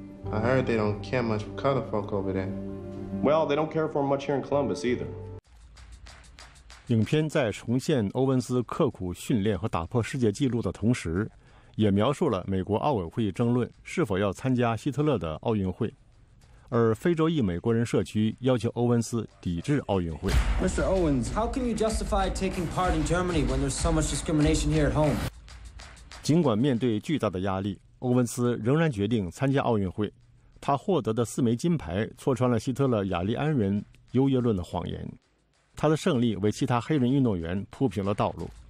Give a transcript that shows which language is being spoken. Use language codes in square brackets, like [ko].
[en] I heard they don't care much for color folk over there. Well, they don't care for much here in Columbus either. [zh] 影片在重现欧文斯刻苦训练和打破世界纪录的同时，也描述了美国奥委会争论是否要参加希特勒的奥运会，而非洲裔美国人社区要求欧文斯抵制奥运会。 [en] Mr. Owens, how can you justify taking part in Germany when there's so much discrimination here at home? [zh] 尽管面对巨大的压力，欧文斯仍然决定参加奥运会。他获得的四枚金牌戳穿了希特勒雅利安人优越论的谎言，他的胜利为其他黑人运动员铺平了道路。